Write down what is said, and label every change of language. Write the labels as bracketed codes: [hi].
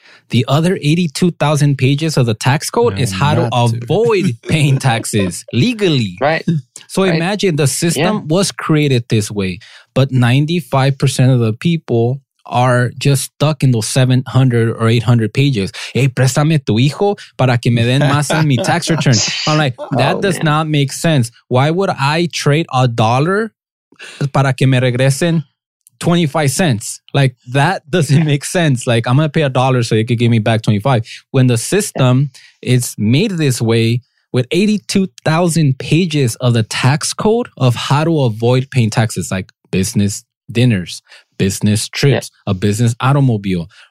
[en] The other 82,000 pages of the tax code is how to avoid paying taxes legally. Right. So imagine the system was created this way, but 95% of the people are just stuck in those 700 or 800 pages. [es] Hey, préstame tu hijo para que me den más en mi tax return. [en] I'm like, that does not make sense. Why would I trade a dollar [es] para que me regresen [en] 25 cents? Like, that doesn't make sense. Like, I'm going to pay a dollar so you could give me back 25. When the system is made this way with 82,000 pages of the tax code of how to avoid paying taxes, like business dinners, business trips, a business automobile.